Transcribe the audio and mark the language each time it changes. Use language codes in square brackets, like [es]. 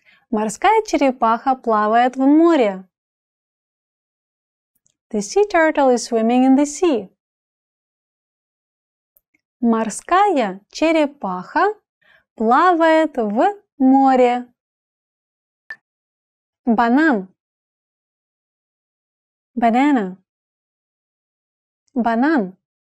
[ru] Морская черепаха плавает в море. [en] The sea turtle is swimming in the sea. [ru] Морская черепаха плавает в море. Банан. [en] Banana. [ru] Банан.